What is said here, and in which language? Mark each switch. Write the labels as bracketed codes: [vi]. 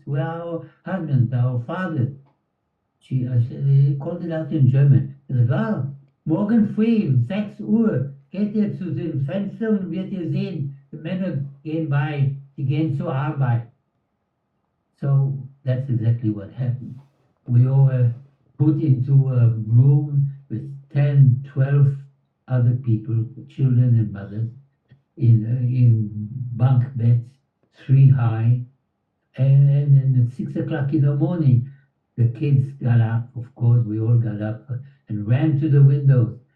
[en] Where are our husbands, our fathers?" They called it out in German. They said, "Well, [de] morgen früh, 6 Uhr, geht ihr zu dem Fenster und wird ihr sehen, the Männer gehen by, die gehen zur Arbeit." [en] So that's exactly what happened. We all were put into a room with 10, 12 other people, children and mothers, in bunk beds, three high. And at 6 o'clock in the morning, the kids got up, of course, we all got up and ran to the windows.